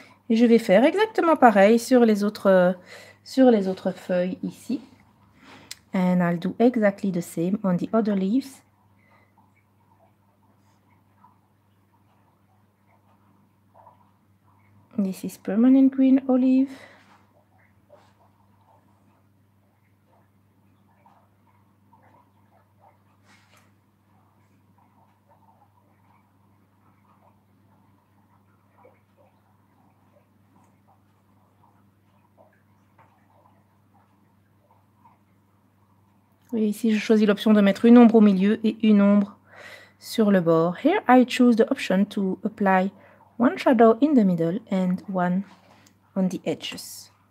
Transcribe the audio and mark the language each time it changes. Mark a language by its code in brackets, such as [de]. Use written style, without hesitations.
[fr] Et je vais faire exactement pareil sur les autres feuilles ici. [en] And I'll do exactly the same on the other leaves. This is permanent green olive. [fr] Et ici, je choisis l'option de mettre une ombre au milieu et une ombre sur le bord. [en] Here, I choose the option to apply one shadow in the middle and one on the edges.